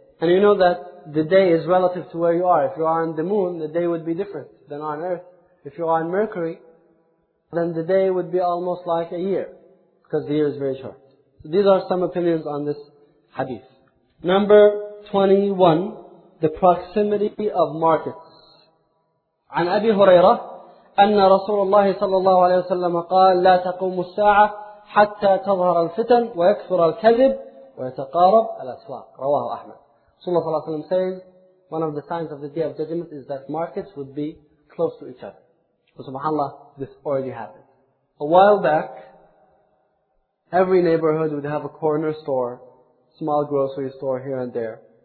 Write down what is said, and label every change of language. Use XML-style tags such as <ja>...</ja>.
<en>And you know that the day is relative to where you are. If you are on the moon, the day would be different than on earth. If you are on Mercury, then the day would be almost like a year, because the year is very short. So these are some opinions on this hadith. Number 21, the proximity of markets.</en> <ar>عن أبي هريرة أن رسول الله صلى الله عليه وسلم قال لا تقوم الساعة حتى تظهر الفتن ويكثر الكذب ويتقارب الأسواق. رواه أحمد. صلى الله عليه وسلم</ar> <en>says, one of the signs of the Day of Judgment is that markets would be close to each other. So subhanAllah, this already happened. A while back, every neighborhood would have a corner store, small grocery store here and there.</en>